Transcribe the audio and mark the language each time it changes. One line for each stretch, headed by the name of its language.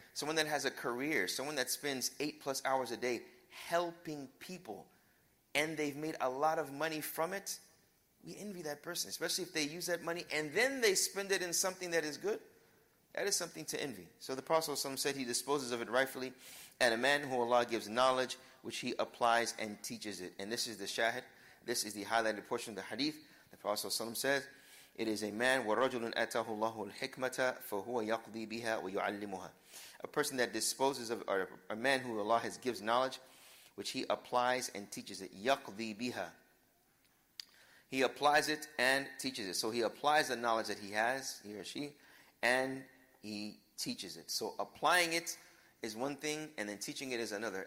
English: Someone that has a career, someone that spends 8+ hours a day helping people, and they've made a lot of money from it, we envy that person, especially if they use that money and then they spend it in something that is good. That is something to envy. So the Prophet ﷺ said he disposes of it rightfully, and a man who Allah gives knowledge, which he applies and teaches it. And this is the shahid. This is the highlighted portion of the hadith. The Prophet ﷺ says, It is a man,
Arabic: وَرَجُلٌ أَتَاهُ اللَّهُ الْحِكْمَةَ فَهُوَ يَقْضِي بِهَا وَيُعَلِّمُهَا.
English: A person that disposes of, or a man who Allah has gives knowledge, which he applies and teaches it.
Arabic: يَقْضِي بِهَا.
English: He applies it and teaches it. So he applies the knowledge that he has, he or she, and he teaches it. So applying it is one thing, and then teaching it is another.